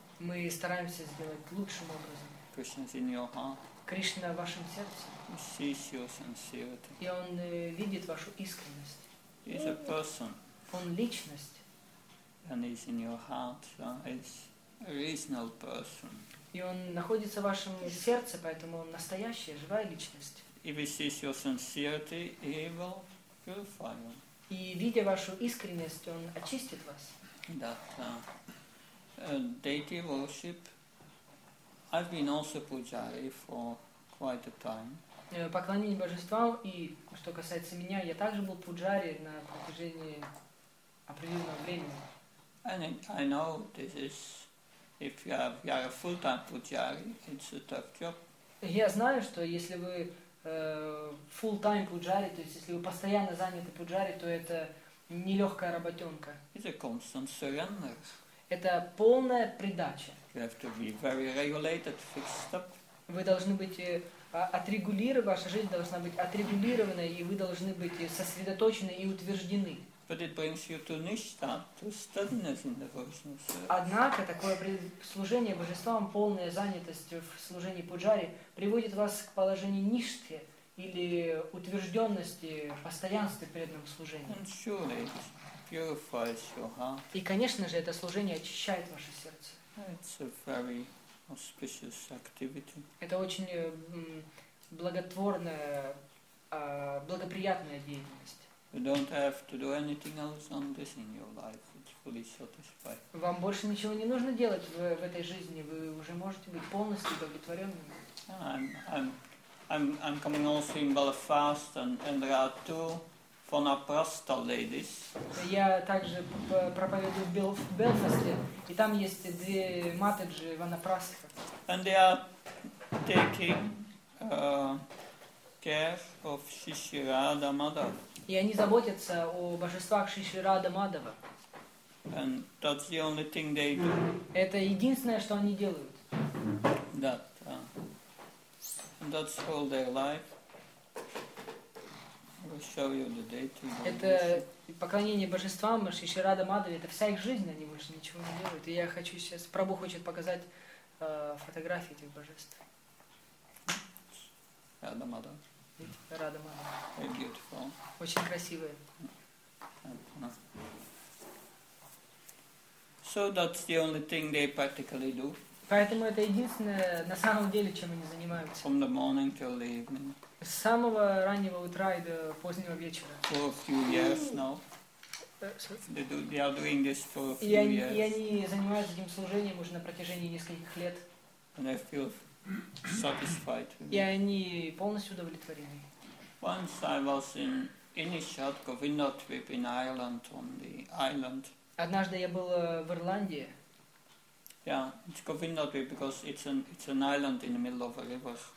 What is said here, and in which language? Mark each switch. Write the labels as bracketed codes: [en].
[ru] Мы стараемся сделать лучшим образом. [en] Krishna is in your heart. [ru] Кришна в вашем сердце. [en] He sees your sincerity. [ru] И он видит вашу искренность. [en] He is a person. [ru] Он личность. [en] And he's in your heart, so he's a reasonable person. [ru] И он находится в вашем сердце, поэтому он настоящая, живая личность. [en] If he sees your sincerity, he will purify you. [ru] И видя вашу искренность, он очистит вас. [en] That deity worship, I've been also pujari for quite a time. [ru] Поклонение божествам, и что касается меня, я также был пуджари на протяжении определенного времени. [en] And I know this is, if you are a full-time pujari, it's a tough job. [ru] Я знаю, что если вы full-time пуджари, то есть если вы постоянно заняты пуджари, то это нелегкая работенка. [en] It's a constant surrender. [ru] Это полная придача. [en] You have to be very regulated, fixed up. [ru] Вы должны быть отрегулированы, ваша жизнь должна быть отрегулирована, и вы должны быть сосредоточены и утверждены. [en] But it brings you to nishtha, to steadiness in devotional service. [ru] Однако такое служение божествам, полная занятость в служении пуджари, приводит вас к положению ништхи или утвержденности, постоянстве преданного служения. [en] And surely it purifies your heart. [ru] И, конечно же, это служение очищает ваше сердце. [en] It's a very auspicious activity. [ru] Это очень благотворная, благоприятная деятельность. [en] You don't have to do anything else on this in your life. It's fully satisfied. [ru] Вам больше ничего не нужно делать в этой жизни. Вы уже можете быть полностью удовлетворенным. [en] I'm coming also in Belfast, and there are two Vanaprastha ladies. [ru] Я также проповедую в Белфасте, и там есть две матаджи Ванапрастха. [en] And they are taking care of Шишрада Мадава. [ru] И они заботятся о божествах Шишрада Мадава. [en] And that's the only thing they do. [ru] Это единственное, что они делают. Да. [en] That's all their life. We'll show you the date. [ru] Это поклонение божествам, Шишрада Мадаве, это вся их жизнь, они больше ничего не делают. И я хочу сейчас, Прабху хочет показать фотографии этих божеств. Рада Мадава. Рада Мадава. [en] Very beautiful. [ru] Очень красивые. [en] So that's the only thing they practically do. [ru] Поэтому это единственное, на самом деле, чем они занимаются. [en] From the morning till the evening. [ru] С самого раннего утра и до позднего вечера. [en] For a few years now. They are doing this for a few years. [ru] И они занимаются этим служением уже на протяжении нескольких лет. [en] And they feel satisfied. [ru] И они полностью удовлетворены. [en] Once I was in Inishatkov, in that trip in Ireland, on the island. [ru] Однажды я был в Ирландии. [en] Yeah, it's Govinda Dvipa because it's an island in the middle of a river.